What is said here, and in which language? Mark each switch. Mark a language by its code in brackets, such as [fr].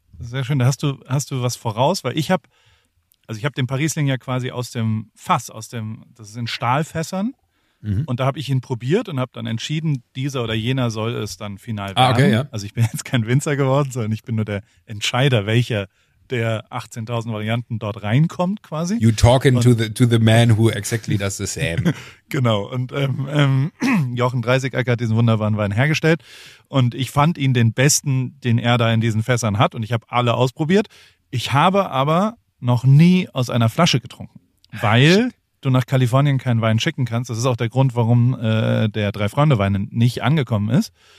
[de] Sehr schön. Da hast du was voraus, weil ich habe den Parisling ja quasi aus dem Fass, das ist in Stahlfässern. Mhm. Und da habe ich ihn probiert und habe dann entschieden, dieser oder jener soll es dann final werden. Okay, ja. Also ich bin jetzt kein Winzer geworden, sondern ich bin nur der Entscheider, welcher der 18.000 Varianten dort reinkommt quasi. [en] You talking to the man who exactly does the same. [de] Genau. Und Jochen Dreisigacker hat diesen wunderbaren Wein hergestellt. Und ich fand ihn den besten, den er da in diesen Fässern hat. Und ich habe alle ausprobiert. Ich habe aber noch nie aus einer Flasche getrunken, weil du nach Kalifornien keinen Wein schicken kannst. Das ist auch der Grund, warum der Drei-Freunde-Wein nicht angekommen ist.